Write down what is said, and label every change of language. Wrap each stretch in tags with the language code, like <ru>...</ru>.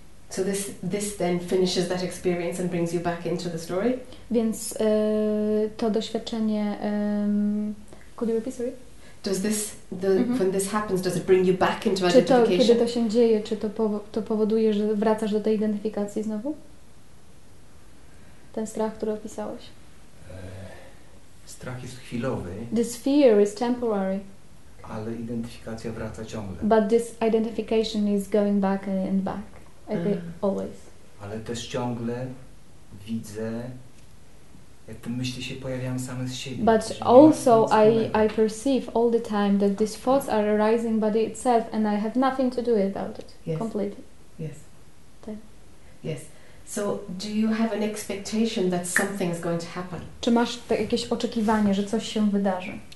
<en>So this then finishes that experience and brings you back into the story.</en> <pl>Więc to doświadczenie.</pl> <en>Could you repeat, sorry? Does this the mm-hmm. when this happens, does it bring you back into</en> <pl>czy</pl> <en>identification?</en> <pl>Czy to kiedy to się dzieje, czy to powoduje, że wracasz do tej identyfikacji znowu? Ten strach, który opisałeś. Strach jest chwilowy.</pl> <en>This fear is temporary.</en> <pl>Ale identyfikacja wraca ciągle.</pl> <en>But this identification is going back and back. Okay, always.</en> <pl>Ale też ciągle widzę, jak te myśli się pojawiają same z siebie.</pl> <en>But also I perceive all the time that these thoughts are arising by itself and I have nothing to do about it. Yes. Completely. Yes. Yes. So do you have an expectation that something is going to happen?</en> <pl>Czy masz jakieś oczekiwanie, że coś się wydarzy?</pl>